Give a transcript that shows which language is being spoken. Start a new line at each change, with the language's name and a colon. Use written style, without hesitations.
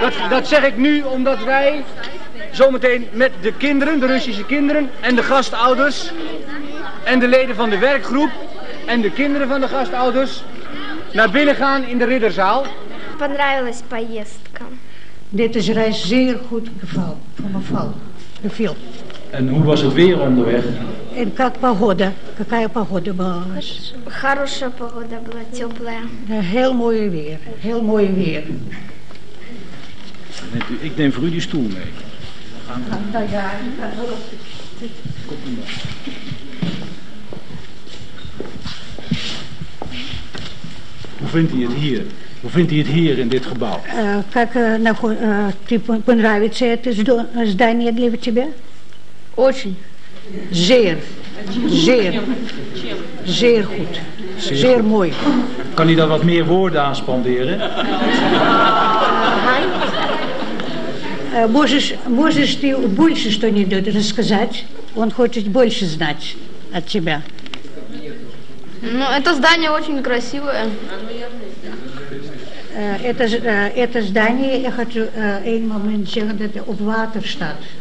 Dutch: Dat zeg ik nu omdat wij zometeen met de kinderen, de Russische kinderen en de gastouders en de leden van de werkgroep en de kinderen van de gastouders naar binnen gaan in de ridderzaal.
Russian: Понравилась поездка.
Dutch: Dit is reis zeer goed gevallen voor mevrouw. Geviel. En hoe was het weer onderweg?
Russian: En как погода? Какая погода была? Хорошая погода была, теплая.
Dutch: Heel mooi weer, heel mooi weer. Ik neem voor u die stoel mee. Hoe vindt hij het hier? Hoe vindt hij het hier in dit gebouw?
Russian: Как ты понравится это здание для тебя? Очень.
Dutch: Zeer. Zeer. Zeer goed. Zeer mooi. Kan hij daar wat meer woorden aan spanderen?
Russian: Можешь ты больше что-нибудь рассказать? Он хочет больше знать от тебя. Ну, это здание очень красивое. Это здание, я хочу один момент сделать, это об ватерштадт.